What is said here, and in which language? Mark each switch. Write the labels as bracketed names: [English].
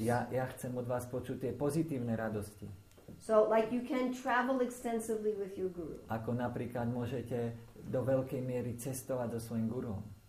[Slovak] Ja chcem od vás počuť tie pozitívne radosti. [English] So like you can travel extensively with your guru. [Slovak] Ako napríklad môžete do veľkej miery cestovať so svojím guruom.